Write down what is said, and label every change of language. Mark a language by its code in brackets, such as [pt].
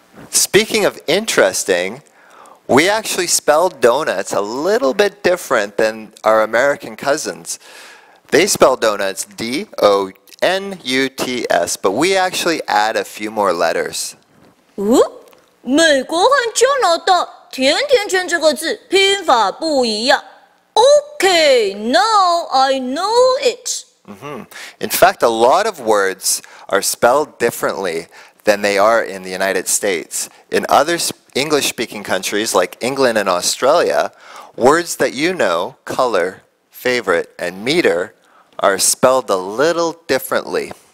[en] Speaking of interesting, we actually spell donuts a little bit different than our American cousins. They spell donuts D-O-N-U-T-S, but we actually add a few more letters. Ooh. [zh] 美国和加拿大甜甜圈这个字拼法不一样。 [en] Okay, now I know it. In fact, a lot of words are spelled differently than they are in the United States. In other English-speaking countries like England and Australia, words that you know, color, favorite, and meter, are spelled a little differently.